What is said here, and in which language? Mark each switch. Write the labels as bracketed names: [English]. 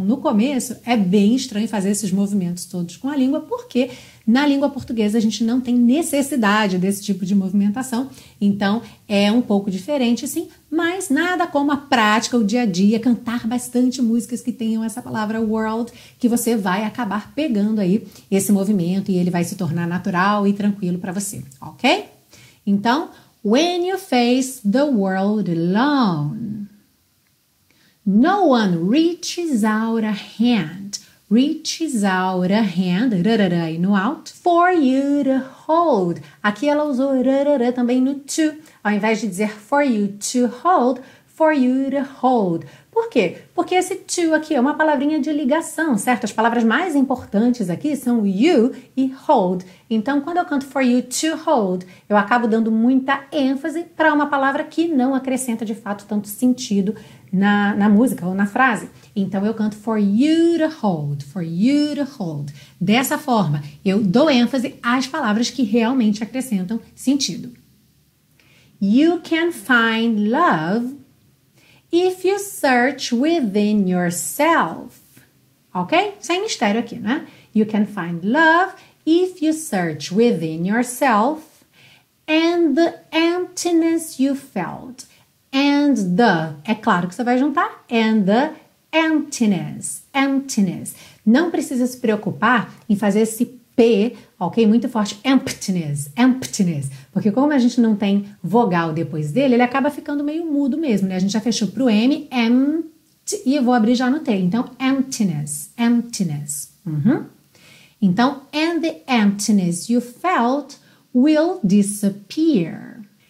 [Portuguese] No começo é bem estranho fazer esses movimentos todos com a língua, porque na língua portuguesa a gente não tem necessidade desse tipo de movimentação, então é um pouco diferente, sim, mas nada como a prática, o dia a dia, cantar bastante músicas que tenham essa palavra world, que você vai acabar pegando aí esse movimento e ele vai se tornar natural e tranquilo para você, ok? Então, [English] when you face the world alone, no one reaches out a hand, reaches out a hand, rarara, [Portuguese] e no [English] out, for you to hold. [Portuguese] Aqui ela usou rarara também no to, ao invés de dizer [English] for you to hold, for you to hold. [Portuguese] Por quê? Porque esse to aqui é uma palavrinha de ligação, certo? As palavras mais importantes aqui são you e hold. Então, quando eu canto [English] for you to hold, [Portuguese] eu acabo dando muita ênfase para uma palavra que não acrescenta, de fato, tanto sentido na música ou na frase. Então, eu canto [English] for you to hold, for you to hold. [Portuguese] Dessa forma, eu dou ênfase às palavras que realmente acrescentam sentido. [English] You can find love if you search within yourself. Ok? [Portuguese] Sem mistério aqui, né? [English] You can find love if you search within yourself and the emptiness you felt. [Portuguese] And the, é claro que você vai juntar, [English] and the emptiness, [Portuguese] emptiness. Não precisa se preocupar em fazer esse P, ok? Muito forte, emptiness, emptiness. Porque como a gente não tem vogal depois dele, ele acaba ficando meio mudo mesmo, né? A gente já fechou pro M, empt, e eu vou abrir já no T. Então, [English] emptiness, emptiness. Uhum. Então, and the emptiness you felt will disappear.